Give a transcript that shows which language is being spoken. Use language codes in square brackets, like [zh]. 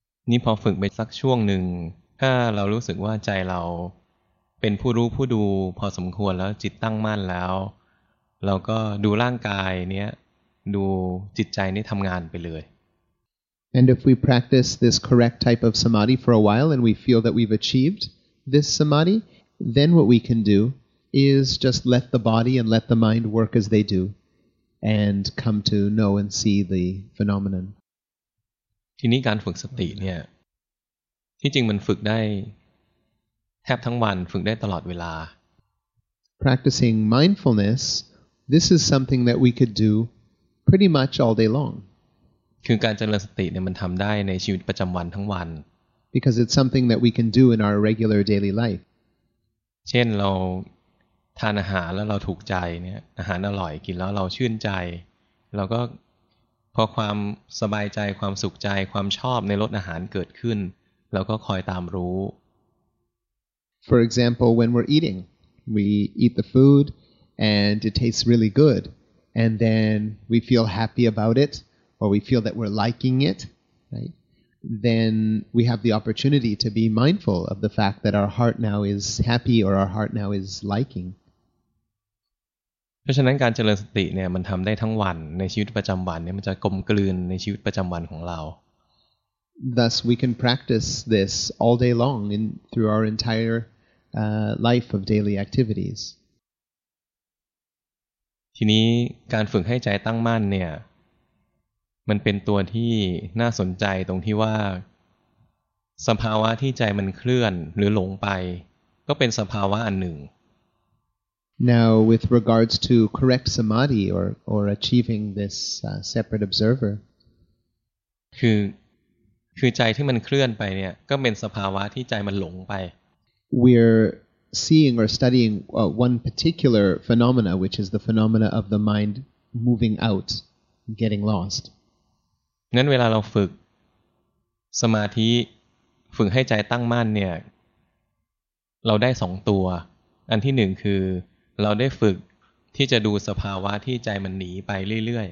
[th] นี่พอฝึกไปสักช่วงหนึ่งถ้าเรารู้สึกว่าใจเราเป็นผู้รู้ผู้ดูพอสมควรแล้วจิตตั้งมั่นแล้วเราก็ดูร่างกายเนี้ยดูจิตใจนี้ทำงานไปเลย [en] And if we practice this correct type of samadhi for a while, and we feel that we've achieved this samadhi. Then what we can do is just let the body and let the mind work as they do and come to know and see the phenomenon. [th] ทีนี้การฝึกสติเนี่ยที่จริงมันฝึกได้แทบทั้งวันฝึกได้ตลอดเวลา [en] Practicing mindfulness, this is something that we could do pretty much all day long. [th] คือการเจริญสติเนี่ยมันทำได้ในชีวิตประจำวันทั้งวัน [en] Because it's something that we can do in our regular daily life. [th] เช่นเราทานอาหารแล้วเราถูกใจเนี่ยอาหารอร่อยกินแล้วเราชื่นใจเ เราก็พอความสบายใจความสุขใจความชอบในรสอาหารเกิดขึ้นเราก็คอยตามรู้ [en] For example when we're eating we eat the food and it tastes really good and then we feel happy about it or we feel that we're liking it right then we have the opportunity to be mindful of the fact that our heart now is happy or our heart now is liking [th] เพราะฉะนั้นการเจริญสติเนี่ยมันทำได้ทั้งวันในชีวิตประจำวันเนี่ยมันจะกลมกลืนในชีวิตประจำวันของเรา [en] Thus we can practice this all day long in through our entire life of daily activities [th] ทีนี้การฝึกให้ใจตั้งมั่นเนี่ยมันเป็นตัวที่น่าสนใจตรงที่ว่าสภาวะที่ใจมันเคลื่อนหรือหลงไปก็เป็นสภาวะอันหนึ่ง [en] Now, with regards to correct samadhi or achieving this separate observer, [th] คือใจที่มันเคลื่อนไปเนี่ยก็เป็นสภาวะที่ใจมันหลงไป [en] We're seeing or studying one particular phenomena, which is the phenomena of the mind moving out, getting lost. [th] งั้นเวลาเราฝึกสมาธิฝึกให้ใจตั้งมั่นเนี่ยเราได้สองตัวอันที่หนึ่งคือเราได้ฝึกที่จะดูสภาวะที่ใจมันหนีไปเรื่อย